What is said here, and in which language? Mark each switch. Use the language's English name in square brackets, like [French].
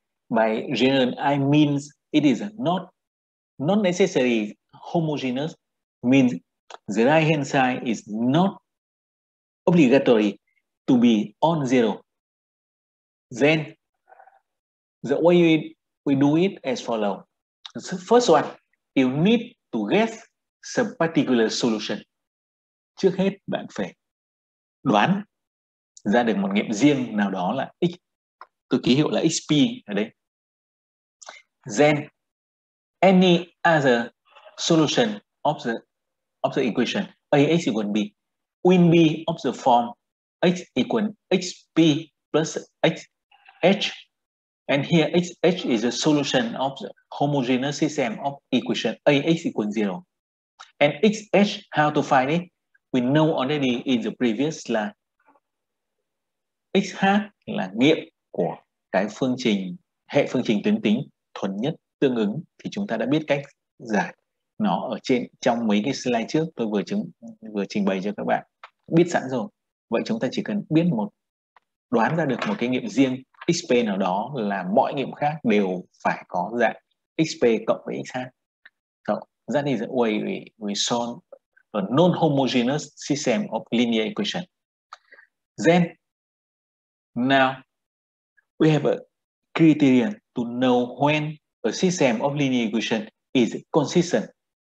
[English] By general, I mean it is not necessarily homogeneous, means the right-hand side is not obligatory to be on zero. Then the way we do it as follows. So first one, you need to guess some particular solution. [Vietnamese] Trước hết, bạn phải đoán ra được một nghiệm riêng nào đó là x, tôi ký hiệu là xp ở đây. [English] Then any other solution of the equation ax equal b will be of the form x equal xp plus xh, and here xh is a solution of the homogeneous system of equation ax equal 0. And xh, how to find it? We know already in the previous slide, [Vietnamese] xh là nghiệm của cái phương trình, hệ phương trình tuyến tính thuần nhất tương ứng, thì chúng ta đã biết cách giải nó ở trên trong mấy cái slide trước tôi vừa trình bày cho các bạn biết sẵn rồi. Vậy chúng ta chỉ cần biết một, đoán ra được một cái nghiệm riêng xp nào đó là mọi nghiệm khác đều phải có dạng xp cộng với xh. [English] So that is the way we solve a non-homogeneous system of linear equation. Then, now we have a criterion to know when a system of linear equation is consistent.